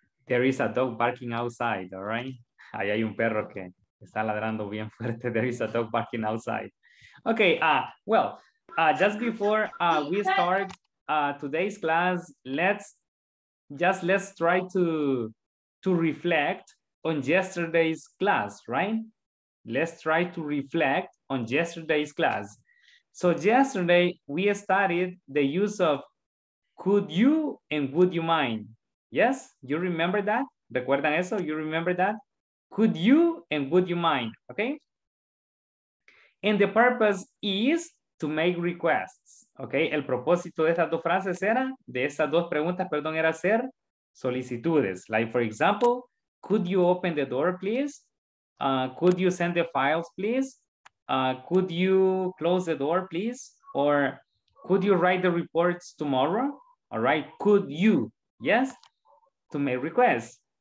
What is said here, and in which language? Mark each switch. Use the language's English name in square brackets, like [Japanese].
[English] There is a dog barking outside, all right? [Spanish] Ahí hay un perro que está ladrando bien fuerte. [English] There is a dog barking outside. Okay, just before we start today's class, let's try to reflect on yesterday's class, right? Let's try to reflect on yesterday's class. So yesterday we studied the use of could you and would you mind. Yes, you remember that? [Spanish] ¿Recuerdan eso? [English] You remember that? Could you and would you mind, okay? And the purpose is to make requests, okay? [Spanish] El propósito de estas dos frases era, de estas dos preguntas, perdón, era hacer solicitudes. [English] Like for example, could you open the door, please? Could you send the files, please? Could you close the door, please? Or could you write the reports tomorrow? All right, could you, yes? To make requests.